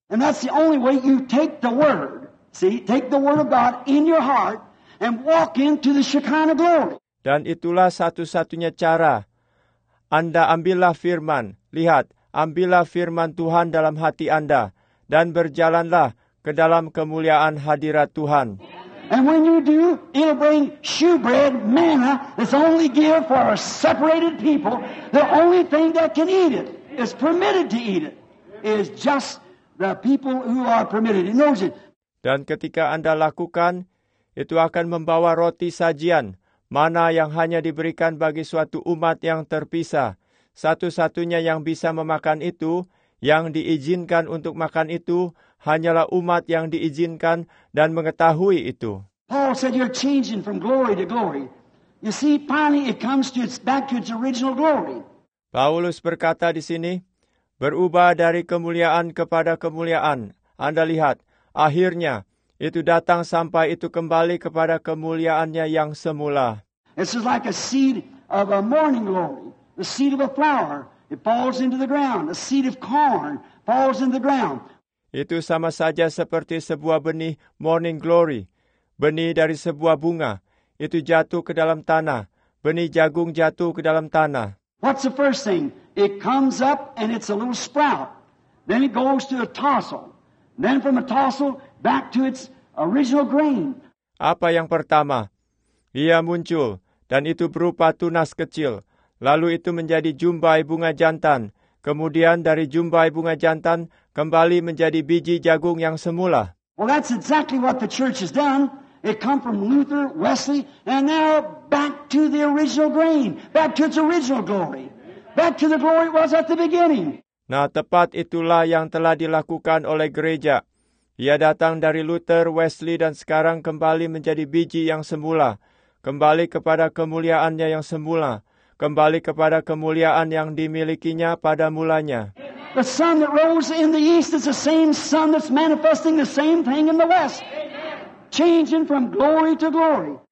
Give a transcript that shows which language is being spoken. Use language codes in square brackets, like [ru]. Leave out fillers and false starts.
[en] And that's the only way you take the word. See, take the word of God in your heart and walk into the Shekinah glory. [id] Dan itulah satu-satunya cara. Anda ambillah firman. Lihat. Ambillah firman Tuhan dalam hati Anda dan berjalanlah ke dalam kemuliaan hadirat Tuhan. [en] And when you do, it'll bring shewbread manna that's only given for a separated people. The only thing that can eat it, is permitted to eat it, is just the people who are permitted. It knows it. [id] Dan ketika Anda lakukan, itu akan membawa roti sajian, mana yang hanya diberikan bagi suatu umat yang terpisah. Satu-satunya yang bisa memakan itu, yang diizinkan untuk makan itu, hanyalah umat yang diizinkan dan mengetahui itu. [en] Paul said you're changing from glory to glory. You see, finally it comes to its back to its original glory. [id] Paulus berkata di sini, berubah dari kemuliaan kepada kemuliaan. Anda lihat, akhirnya itu datang sampai itu kembali kepada kemuliaannya yang semula. [en] This is like a seed of a morning glory, the seed of a flower. It falls into the ground. A seed of corn falls in the ground. [id] Itu sama saja seperti sebuah benih morning glory, benih dari sebuah bunga. Itu jatuh ke dalam tanah. Benih jagung jatuh ke dalam tanah. [en] What's the first thing? It comes up and it's a little sprout. Then it goes to a tassel. Then from a tassel back to its original grain. [id] Apa yang pertama? Ia muncul dan itu berupa tunas kecil. Lalu itu menjadi jumbai bunga jantan. Kemudian dari jumbai bunga jantan kembali menjadi biji jagung yang semula. [en] Well, that's exactly what the church has done. It come from Luther, Wesley, and now back to the original grain, back to its original glory, back to the glory it was at the beginning. [id] Nah, tepat itulah yang telah dilakukan oleh gereja. Ia datang dari Luther, Wesley, dan sekarang kembali menjadi biji yang semula, kembali kepada kemuliaannya yang semula, kembali kepada kemuliaan yang dimilikinya pada mulanya. [en] The sun that rose in the east is the same sun that's manifesting the same thing in the west. Changing from glory to glory.